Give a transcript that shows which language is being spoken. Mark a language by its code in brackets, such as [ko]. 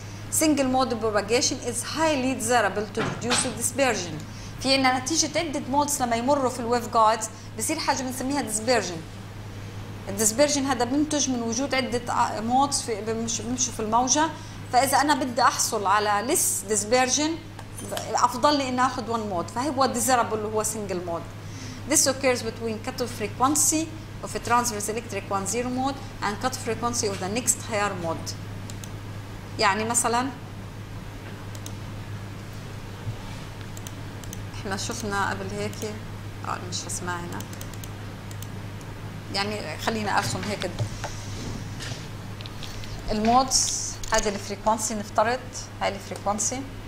[en] single mode propagation is highly desirable to reduce dispersion, [ar] في ان نتيجه عده مودز لما يمروا في الويف جايدز بصير حاجه بنسميها ديسبيرجن. الديسبيرجن هذا بينتج من وجود عده مودز في بمشوا في الموجه، فاذا انا بدي احصل على لس ديسبيرجن افضل لي اني اخذ وان مود، فهو ديزيربل اللي هو سنجل مود. [en] This occurs between cut off frequency of a transverse electric 1-0 mode and cut off frequency of the next higher mode. [ar] يعني مثلا احنا شفنا قبل هيك مش رسمها هنا، يعني خلينا ارسم هيك المودز، هذه الفريكوانسي نفترض هاي الفريكوانسي